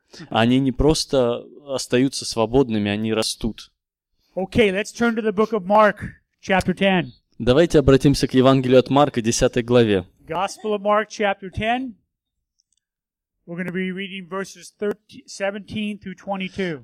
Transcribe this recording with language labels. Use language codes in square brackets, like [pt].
[ru] Они не просто остаются свободными, они растут. [en] Okay, let's turn to the book of Mark, chapter 10. [ru] Давайте обратимся к Евангелию от Марка, 10 главе. [en] Gospel of Mark, chapter 10. We're going to be reading verses 17 through 22.